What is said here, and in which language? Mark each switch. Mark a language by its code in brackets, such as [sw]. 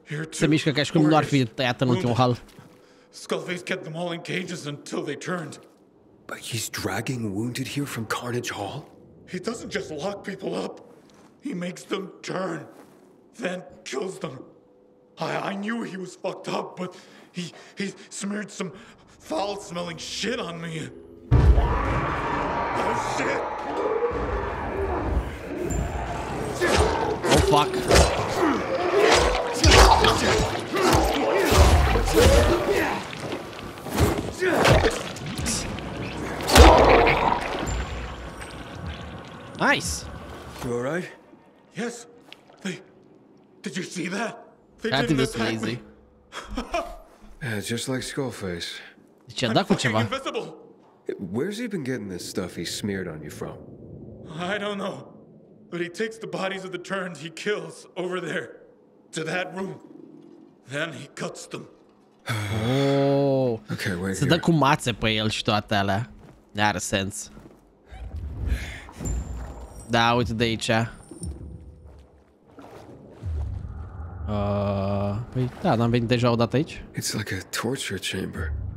[ro] Se mișcă ca și cum nu ar fi tăiat în ultimul hal. [en] Skullface kept them all in cages until they turned. But he's dragging wounded here from Carnage Hall? He doesn't just lock people up. He makes them turn, then kills them. I knew he was fucked up, but he smeared some foul-smelling shit on me. Oh, shit! Oh, fuck. Nice. You all right? Yes. Did you see that? That thing was crazy. Yeah, just like Skullface. I'm fucking invisible. Where's he been getting this stuff he smeared on you from? I don't know. But he takes the bodies of the Terns he kills over there to that room. Then he cuts them. Oh. Okay, wait. [ro] Se dă cu mațe pe el și toate alea. N-are sens. Da, uite de aici. Păi, da, n-am venit deja odată aici. [en] It's like a torture chamber.